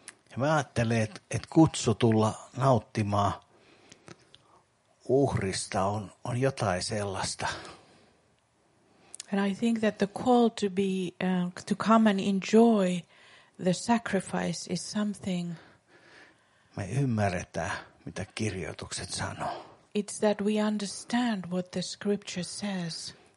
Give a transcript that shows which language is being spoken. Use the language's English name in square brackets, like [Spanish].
[Finnish] Ja mä ajattelen, että kutsu tulla nauttimaan uhrista on jotain sellaista. [English] And I think that the call to be to come and enjoy the sacrifice is something. [Finnish] Me ymmärretään, mitä kirjoitukset sanoo. [English] It's that we understand what the scripture says.